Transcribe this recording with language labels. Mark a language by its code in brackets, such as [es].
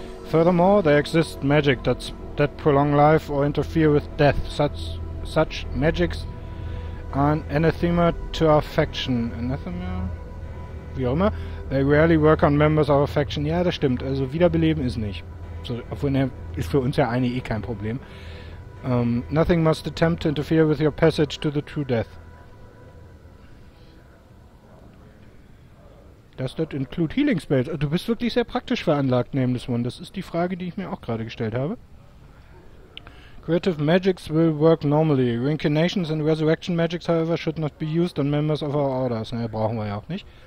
[en] Furthermore, there exists magic that prolong life or interfere with death. Such magics are anathema to our faction. Anathema? [de] Wie auch immer. [en] They rarely work on members of our faction. [de] Ja, das stimmt. Also, wiederbeleben ist nicht. So, obwohl, er ist für uns ja eigentlich eh kein Problem. [en] Nothing must attempt to interfere with your passage to the true death. Does that include healing spells? [de] Du bist wirklich sehr praktisch veranlagt, Nameless One. Das ist die Frage, die ich mir auch gerade gestellt habe. [en] Creative magics will work normally. Reincarnations and resurrection magics, however, should not be used on members of our orders. [de] Naja, brauchen wir ja auch nicht.